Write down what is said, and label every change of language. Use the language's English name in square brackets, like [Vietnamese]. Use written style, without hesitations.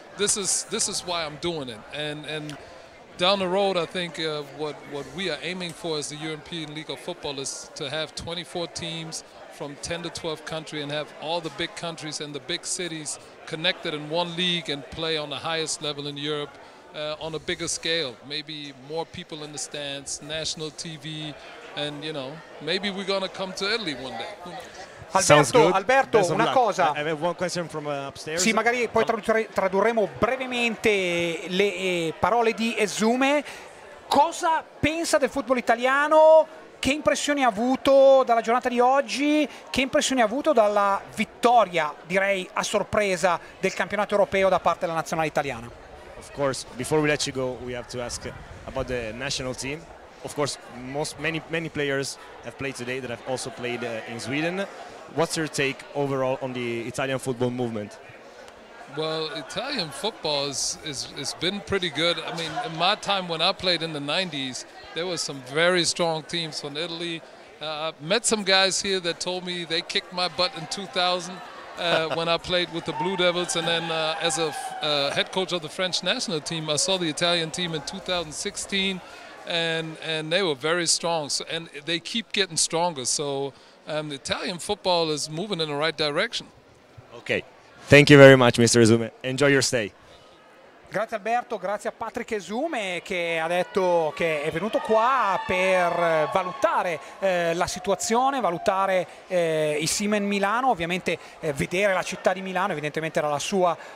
[English] this is why I'm doing it. And down the road, I think what we are aiming for as the European League of Football is to have 24 teams from 10 to 12 countries and have all the big countries and the big cities connected in one league and play on the highest level in Europe on a bigger scale. Maybe more people in the stands, national TV, and you know, maybe we're gonna come to Italy one day. [Italian] Alberto, una cosa. [English] I have one question from upstairs. [Italian] Sì, magari poi tradurremo brevemente le parole di Esume. Cosa pensa del football italiano? Che impressioni ha avuto dalla giornata di oggi? Che impressioni ha avuto dalla vittoria, direi a sorpresa, del campionato europeo da parte della nazionale italiana? [English] Of course, before we let you go, we have to ask about the national team. Of course, many players have played today that have also played in Sweden. What's your take overall on the Italian football movement? Well, Italian football has been pretty good. I mean, in my time when I played in the 90s, there were some very strong teams from Italy. I met some guys here that told me they kicked my butt in 2000 when I played with the Blue Devils. And then as a head coach of the French national team, I saw the Italian team in 2016, and they were very strong. So, and they keep getting stronger. So the Italian football is moving in the right direction. Okay. Thank you very much, Mr. Esume. Enjoy your stay. [Italian] Grazie Alberto, grazie a Patrick Esume che ha detto che è venuto qua per valutare la situazione, valutare il Siemens Milano, ovviamente vedere la città di Milano, evidentemente era la sua